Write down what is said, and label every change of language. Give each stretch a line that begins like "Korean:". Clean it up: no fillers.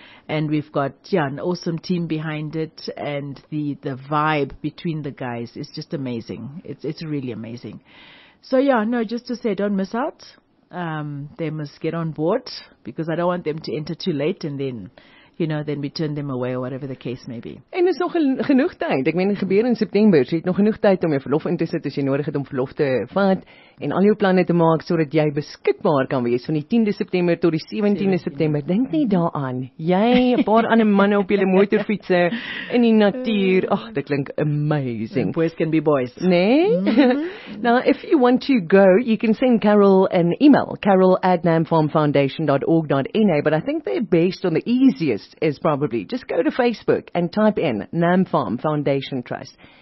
English: And we've got, an awesome team behind it, and the vibe between the guys is just amazing. It's really amazing. So, just to say, don't miss out. They must get on board, because I don't want them to enter too late and then, you know, then we turn them away or whatever the case may be.
Afrikaans: En is nog genoeg tyd. Ek meen, gebeur in September, so jy het nog genoeg tyd om jou verlof in te sit as jy nodig het om verlof te vat en al jou planne te maak sodat jy beskikbaar kan wees van die 10de September tot die 17de September. Dink nie daaraan. Jy, 'n paar ander manne op julle motorfietse in die natuur. Ag, dit klink amazing.
English: Boys can be boys.
Afrikaans: Nee?
English: Now, if you want to go, you can send Carol an email, carol@namfarmfoundation.org.na, but I think they're based on the easiest is probably just go to Facebook and type in Nam Farm Foundation Trust.